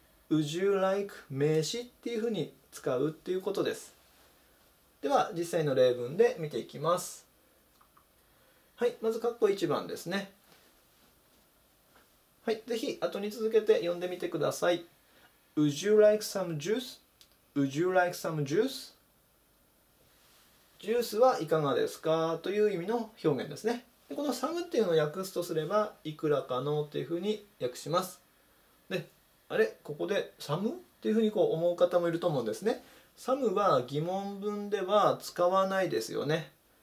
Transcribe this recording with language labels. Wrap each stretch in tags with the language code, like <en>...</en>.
<en>Would you like</en> <ja>名詞っていうふうに使うっていうことです。では実際の例文で見ていきます。はい、まず括弧1番ですね。はい、ぜひ後に続けて読んでみてください。</ja> <en>Would you like some juice? Would you like some juice?</en> <ja>ジュースはいかがですかという意味の表現ですね。で、この some っていうのを訳すとすれば、いくらかのっていうふうに訳します。で、あれ、ここで some? っていうふうにこう思う方もいると思うんですね。 some は疑問文では使わないですよね。</ja>